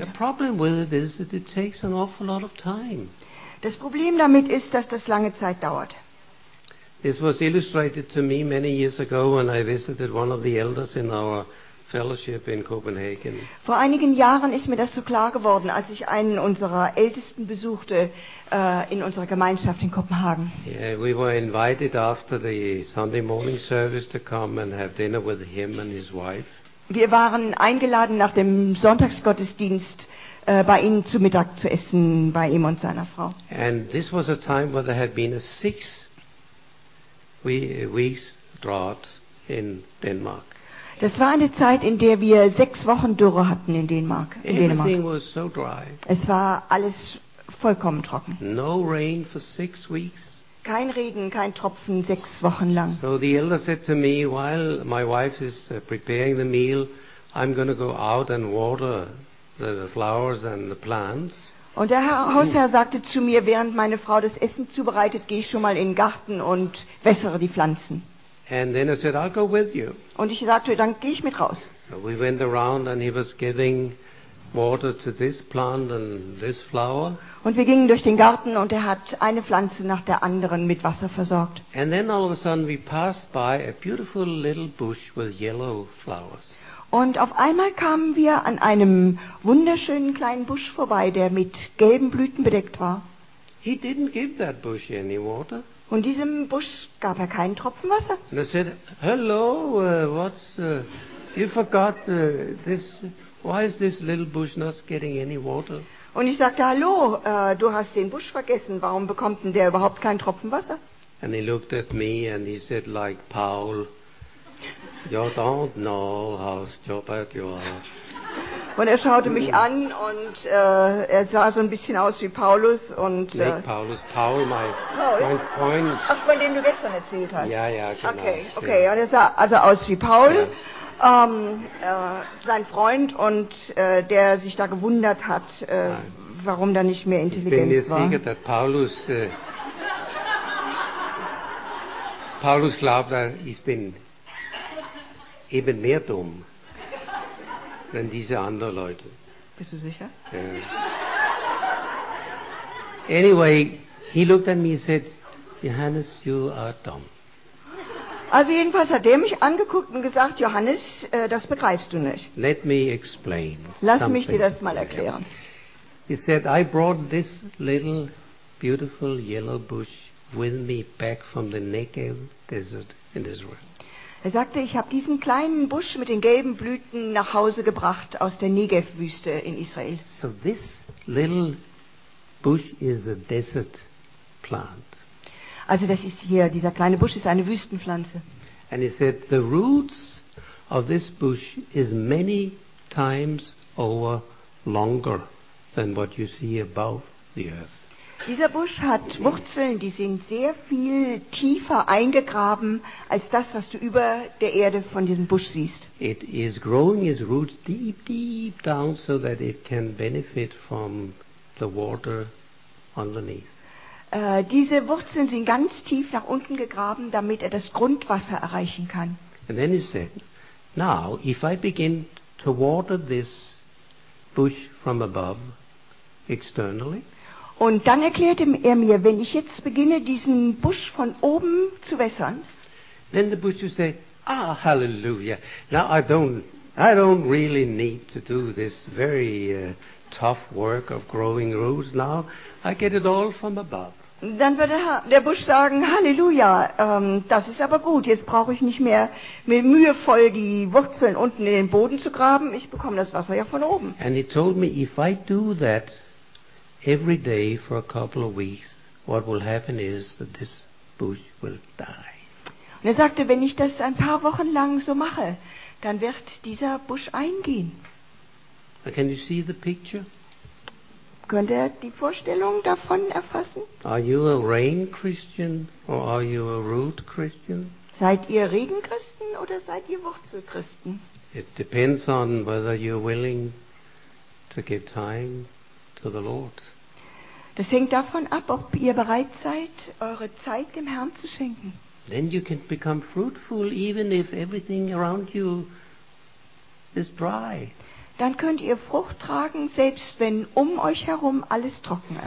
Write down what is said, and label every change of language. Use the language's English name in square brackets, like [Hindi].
[English] The problem with it is that it takes an awful lot of time. [German] Das Problem damit ist, dass das lange Zeit dauert. [English] This was illustrated to me many years ago when I visited one of the elders in our fellowship in Copenhagen. [German] Vor einigen Jahren ist mir das so klar geworden, als ich einen unserer Ältesten besuchte in unserer Gemeinschaft in Kopenhagen. [English] Yeah, we were invited after the Sunday morning service to come and have dinner with him and his wife. [German] Wir waren eingeladen, nach dem Sonntagsgottesdienst bei ihnen zu Mittag zu essen, bei ihm und seiner Frau. [English] And this was a time where there had been a 6 weeks drought in Denmark. [German] Das war eine Zeit, in der wir 6 Wochen Dürre hatten in Dänemark. [English] Everything was so dry. [German] Es war alles vollkommen trocken. [English] No rain for 6 weeks. [German] Kein Regen, kein Tropfen 6 Wochen lang. [English] So the elder said to me, while my wife is preparing the meal, I'm going to go out and water the flowers and the plants. [German] Und der Hausherr sagte zu mir, während meine Frau das Essen zubereitet, gehe ich schon mal in den Garten und wässere die Pflanzen. [English] And then I said, I'll go with you. [German] Und ich sagte, dann gehe ich mit raus. [English] So we went around and he was giving water to this plant and this flower. [German] Und wir gingen durch den Garten und er hat eine Pflanze nach der anderen mit Wasser versorgt. [English] And then all of a sudden we passed by a beautiful little bush with yellow flowers. [German] Und auf einmal kamen wir an einem wunderschönen kleinen Busch vorbei, der mit gelben Blüten bedeckt war. [English] He didn't give that bush any water. [German] Und diesem Busch gab er keinen Tropfen Wasser. [English] And I said, hello, what's, you forgot this, why is this little bush not getting any water? [German] Und ich sagte, hallo, du hast den Busch vergessen, warum bekommt denn der überhaupt keinen Tropfen Wasser? [English] And he looked at me and he said, like Paul, you don't know how stupid you are. [German] Und er schaute mich an und er sah so ein bisschen aus wie Paulus. Und, nicht Paulus, Paul, mein Freund. Ach, von dem du gestern erzählt hast. Ja, ja, genau. Okay, ja. Und er sah also aus wie Paul, ja. Sein Freund, und der sich da gewundert hat, warum da nicht mehr Intelligenz war. Ich bin mir sicher, dass Paulus... Paulus glaubt, ich bin... eben mehr dumm. Nein, diese anderen Leute. Bist du sicher? Ja. [English] Anyway, he looked at me and said, Johannes, you are dumb. [German] Also jedenfalls hat er mich angeguckt und gesagt, Johannes, das begreifst du nicht. [English] Let me explain. [German] Lass mich dir das mal erklären. [English] He said, I brought this little beautiful yellow bush with me back from the Negev desert in Israel. [German] Er sagte, ich habe diesen kleinen Busch mit den gelben Blüten nach Hause gebracht aus der Negev-Wüste in Israel. [English] So this little bush is a desert plant. [German] Also das ist hier, dieser kleine Busch ist eine Wüstenpflanze. [English] And he said, the roots of this bush is many times over longer than what you see above the earth. [German] Dieser Busch hat Wurzeln, die sind sehr viel tiefer eingegraben als das, was du über der Erde von diesem Busch siehst. [English] It is growing its roots deep, deep down so that it can benefit from the water underneath. [German] Diese Wurzeln sind ganz tief nach unten gegraben, damit er das Grundwasser erreichen kann. [English] And then he said, now if I begin to water this bush from above externally. [German] Und dann erklärte er mir, wenn ich jetzt beginne, diesen Busch von oben zu wässern. [English] Then the bush would say, ah, hallelujah. Now I don't really need to do this very tough work of growing roots now. I get it all from above. [German] Dann wird der Busch sagen, Halleluja, das ist aber gut, jetzt brauche ich nicht mehr mühevoll die Wurzeln unten in den Boden zu graben, ich bekomme das Wasser ja von oben. [English] And he told me, if I do that every day for a couple of weeks, what will happen is that this bush will die. [German] Und er sagte, wenn ich das ein paar Wochen lang so mache, dann wird dieser Busch eingehen. [English] Can you see the picture? [German] Könnt ihr die Vorstellung davon erfassen? [English] Are you a rain Christian or are you a root Christian? [German] Seid ihr Regenchristen oder seid ihr Wurzelchristen? [English] It depends on whether you're willing to give time to the Lord. [German] Das hängt davon ab, ob ihr bereit seid, eure Zeit dem Herrn zu schenken. [English] Then you can become fruitful even if everything around you is dry. [German] Dann könnt ihr Frucht tragen, selbst wenn um euch herum alles trocken ist.